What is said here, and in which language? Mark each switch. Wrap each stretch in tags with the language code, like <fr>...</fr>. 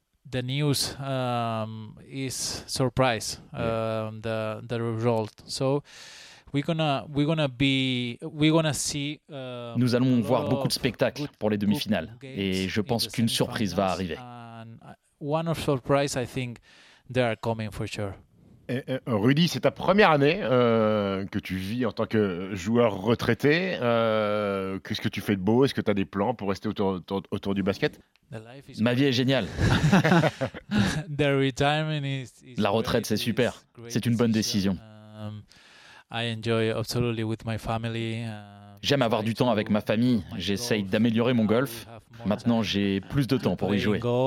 <en>The news is surprise. The result. So we're gonna see.</en> <fr>Nous allons voir beaucoup de spectacles pour les demi-finales, et je pense qu'une surprise va arriver.</fr> <en>One of surprise, I think, they are coming for sure.</en> <fr>Rudy, c'est ta première année que tu vis en tant que joueur retraité. Qu'est-ce que tu fais de beau? Est-ce que tu as des plans pour rester autour du basket? Ma vie est géniale.</fr> <en>The retirement is</en> <fr>la retraite, c'est super. C'est une bonne décision.</fr> <en>I enjoy absolutely with my family.</en> <fr>J'aime avoir du temps avec ma famille. J'essaye d'améliorer mon golf. Maintenant, j'ai plus de temps pour y jouer.</fr>